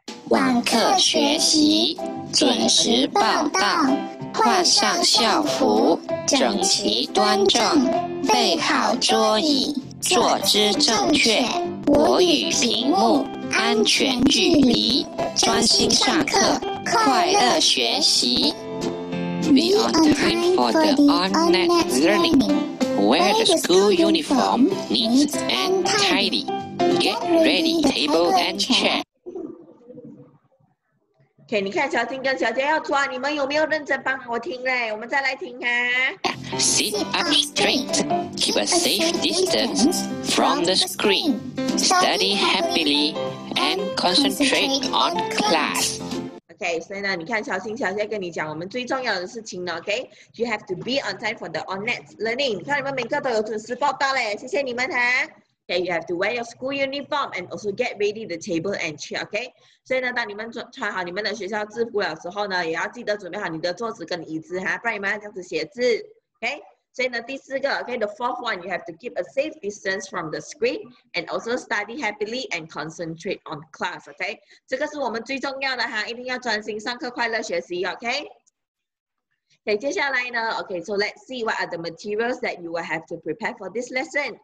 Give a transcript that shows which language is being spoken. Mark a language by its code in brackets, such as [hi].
[zh] 网课学习，准时报到，换上校服，整齐端正，备好桌椅，坐姿正确，我与屏幕安全距离，专心上课，快乐学习。 [en] Be on time for the on-net learning. Wear the school uniform, neat and tidy. Get ready, table and chair. [zh] OK， 你看小金跟小杰要抓，你们有没有认真帮我听嘞？我们再来听啊。 [en] Sit up straight, keep a safe distance from the screen. Study happily and concentrate on class. [zh] OK， 所以呢，你看小金、小杰跟你讲，我们最重要的事情呢 ，OK， [en] you have to be on time for the on-net learning. [zh] 你看你们每个都有准时报到嘞，谢谢你们哈。 [en] OK, you have to wear your school uniform and also get ready the table and chair, OK? [zh] 所以呢，当你们穿好你们的学校制服的时候呢，也要记得准备好你的桌子跟椅子哈，不然你们要这样子写字 ，OK? 所以呢，第四个 [en] ，OK, the fourth one, you have to keep a safe distance from the screen and also study happily and concentrate on class, OK? [zh] 这个是我们最重要的哈，一定要专心上课，快乐学习 ，OK? [en] Okay, [zh] 接下来呢 [en] ，Okay, so let's see what are the materials that you will have to prepare for this lesson.